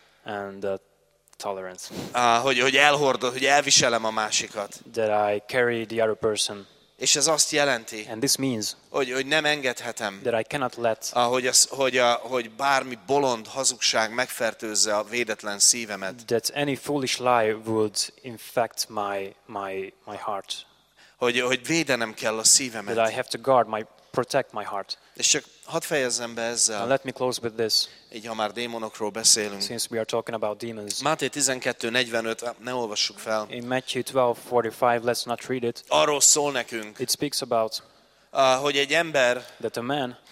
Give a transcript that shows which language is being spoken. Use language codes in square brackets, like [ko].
[en] And tolerance. [hu] Hogy elhordod, hogy elviselem a másikat. [en] That I carry the other person. [hu] És ez azt jelenti, [en] and this means, [hu] hogy nem engedhetem, [en] that I cannot let, [hu] ahogy az, hogy bármi bolond hazugság megfertőzze a védetlen szívemet. [en] That any foolish lie would infect my heart. [hu] Hogy védenem kell a szívemet. [en] That I have to guard my protect my heart. [hu] És csak hadd fejezzem be ezzel. [en] And let me close with this. [hu] Így, ha már démonokról beszélünk. [en] Since we are talking about demons. [hu] Máté 12:45, ne olvassuk fel. [en] In Matthew 12:45, let's not read it. [hu] Arról szól nekünk. [en] It speaks about [hu] hogy egy ember, [en] that a man,